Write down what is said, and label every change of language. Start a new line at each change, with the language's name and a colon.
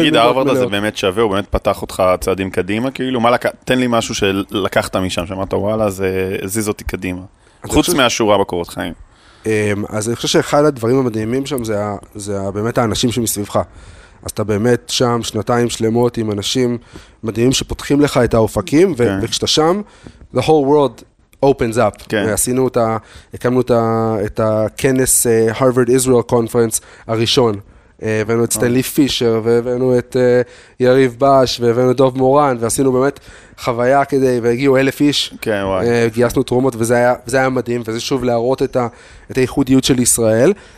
Hebrew: תגיד, ההרווארד הזה באמת שווה, הוא באמת פתח אותך צעדים קדימה, כאילו, תן לי משהו שלקחת משם, שאמרת, וואלה, זה זיז אותי קדימה. חוץ מהשורה בקורות חיים. אז אני חושב שאחד הדברים המדהימים שם, זה באמת האנשים שמסביבך. אז אתה באמת שם שנתיים שלמות עם אנשים מדהימים שפותחים לך את האופקים, okay. וכשאתה שם,
English: the whole world opens up. Okay.
Hebrew: עשינו את ה... הקמנו את, ה, את הכנס Harvard-Israel Conference הראשון. הבאנו את סטנלי פישר, והבאנו את יריב בש, והבאנו את דוב מורן, ועשינו באמת חוויה כדי, והגיעו 1,000 איש. כן, וואי. גייסנו תרומות, וזה היה מדהים, וזה שוב להראות את, את הייחודיות של ישראל.